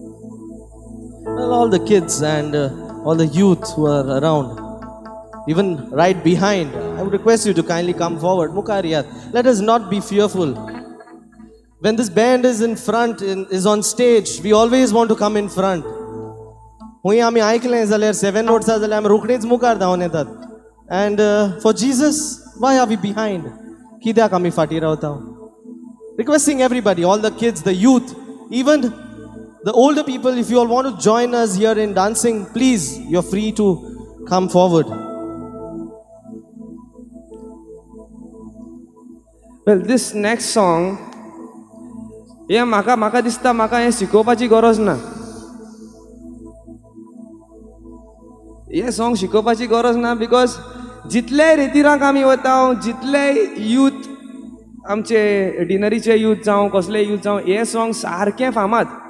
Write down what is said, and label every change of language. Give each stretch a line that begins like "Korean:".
English: all the kids and all the youth who are around even right behind I would request you to kindly come forward
Goan Konkani: मुखार येयात
English: Let us not be fearful When this band is in front, is on stage, we always want to come in front. And for Jesus, why are we behind? Requesting everybody, all the kids, the youth, even the older people, if you all want to join us here in dancing, please, you're free to come forward. Well, this next song,
Goan Konkani: हे म्हाका म्हाका दिसता म्हाका हें शिकोवपाची गरज ना हें सॉंग शिकोवपाची गरज ना बिकॉज जितले रितीरांक आमी वता जितले यूथ आमचे डिनरीचे यूथ जावं कसले यूथ जावं हें सॉंग सारकें फामाद